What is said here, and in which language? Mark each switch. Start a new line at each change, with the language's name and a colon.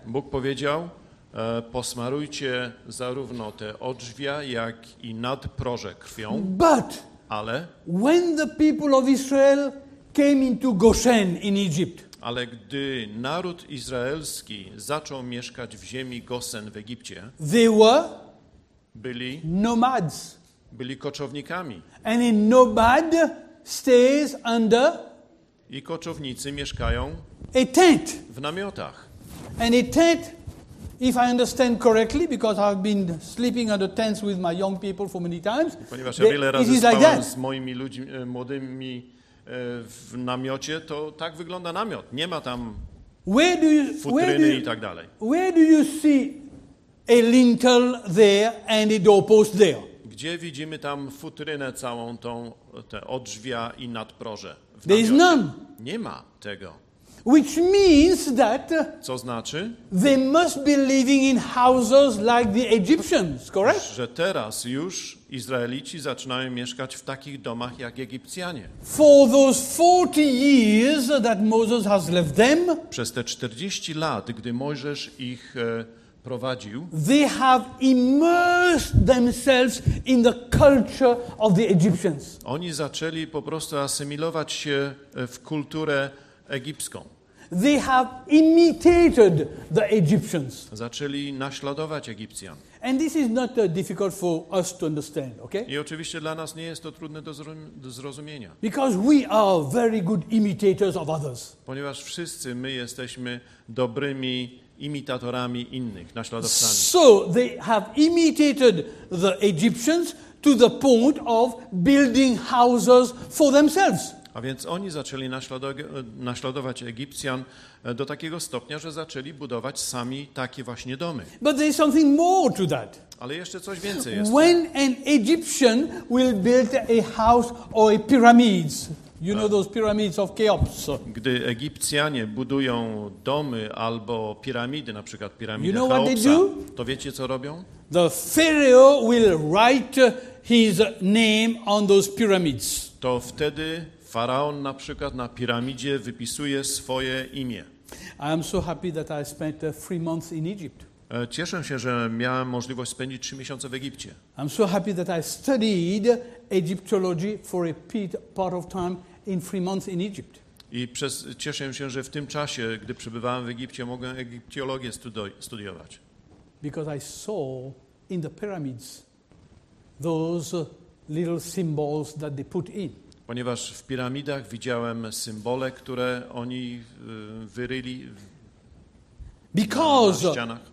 Polish: Bóg powiedział, posmarujcie zarówno te odrzwia, jak i nadproże krwią.
English: But
Polish: ale
English: when the people of Israel came into Goshen in Egypt.
Polish: Ale gdy naród izraelski zaczął mieszkać w ziemi Goshen w Egipcie,
English: they were
Polish: byli
English: nomads.
Polish: Byli koczownikami.
English: And a nomad stays under
Polish: i koczownicy mieszkają
English: a tent.
Polish: W namiotach.
English: And a tent, if I understand correctly, because I've been sleeping under tents with my young people for many times,
Polish: ponieważ ja wiele razy spałem
English: like
Polish: z moimi ludźmi, młodymi w namiocie, to tak wygląda namiot. Nie ma tam futryny i tak dalej.
English: Where do you see a lintel there and a doorpost there?
Polish: Gdzie widzimy tam futrynę całą tą, te odrzwia i nadproże?
English: There is none.
Polish: Nie ma tego.
English: Which means that,
Polish: co znaczy,
English: they must be living in houses like the Egyptians, correct?
Polish: Że teraz już Izraelici zaczynają mieszkać w takich domach jak Egipcjanie.
English: For those 40 years that Moses has left them,
Polish: przez te 40 lat, gdy Mojżesz ich prowadził,
English: they have immersed themselves in the culture of the Egyptians.
Polish: Oni zaczęli po prostu asymilować się w kulturę egipską.
English: They have imitated the Egyptians.
Polish: Zaczęli naśladować Egipcjan.
English: And this is not difficult for us to understand, okay?
Polish: I oczywiście dla nas nie jest to trudne do zrozumienia.
English: Because we are very good imitators of others.
Polish: Ponieważ wszyscy my jesteśmy dobrymi imitatorami innych, naśladowcami.
English: So they have imitated the Egyptians to the point of building houses for themselves.
Polish: A więc oni zaczęli naśladować Egipcjan do takiego stopnia, że zaczęli budować sami takie właśnie domy.
English: But there is something more to that.
Polish: Ale jeszcze coś więcej jest.
English: When an Egyptian will build a house or a pyramids, you know those pyramids of Cheops.
Polish: Gdy Egipcjanie budują domy albo piramidy, na przykład piramidy
English: you know
Polish: Cheopsa,
English: what they do?
Polish: To wiecie co robią?
English: The pharaoh will write his name on those pyramids.
Polish: To wtedy Faraon na przykład na piramidzie wypisuje swoje imię.
English: I am so happy that I spent 3 months in Egypt.
Polish: Cieszę się, że miałem możliwość spędzić 3 miesiące w Egipcie.
English: I'm so happy that I studied Egyptology for a part of time in 3 months in Egypt.
Polish: I cieszę się, że w tym czasie, gdy przebywałem w Egipcie, mogłem egiptologię studiować.
English: Because I saw in the pyramids those little symbols that they put in.
Polish: Ponieważ w piramidach widziałem symbole, które oni wyryli na ścianach.